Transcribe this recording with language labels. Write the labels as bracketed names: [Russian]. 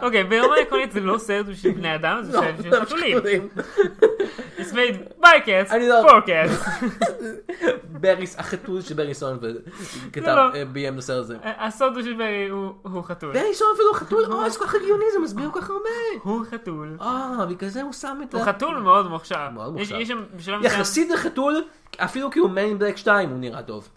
[Hebrew] אוקיי, ברמה עקרונית זה לא סרט בשביל בני אדם, זה סרט בשביל חתולים. [English] It's made by cats, for cats. [Hebrew] בריס, החתול של ברי סונפלד כתב ביים לסרט הזה. הסוד של ברי הוא חתול. ברי סונפלד הוא חתול? אוי, זה כל כך הגיוני, זה מסביר כל כך הרבה. הוא חתול. אה, בגלל זה הוא שם את... הוא חתול מאוד מוכשר. מאוד מוכשר. יחסית לחתול... אפילו כי הוא Man in Black 2 הוא נראה טוב.